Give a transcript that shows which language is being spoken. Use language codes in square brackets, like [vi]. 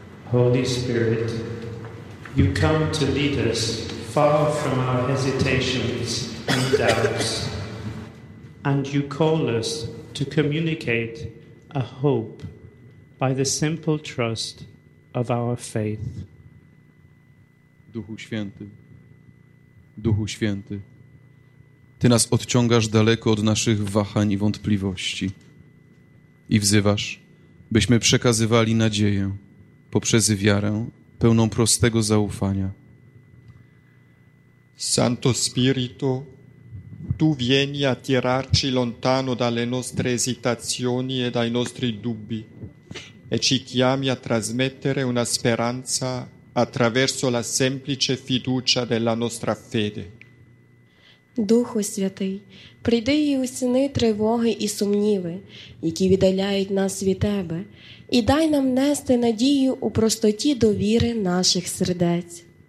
[en] Holy Spirit, you come to lead us far from our hesitations and doubts, and you call us to communicate a hope by the simple trust of our faith. [pl] Duchu Święty, Ty nas odciągasz daleko od naszych wahań i wątpliwości i wzywasz, byśmy przekazywali nadzieję poprzez wiarę pełną prostego zaufania. [it] Santo Spirito, tu vieni a tirarci lontano dalle nostre esitazioni e dai nostri dubbi e ci chiami a trasmettere una speranza attraverso la semplice fiducia della nostra fede. [uk] Духу Святий, прийди і усіни тривоги і сумніви, які віддаляють нас від Тебе, і дай нам нести надію у простоті довіри наших сердець.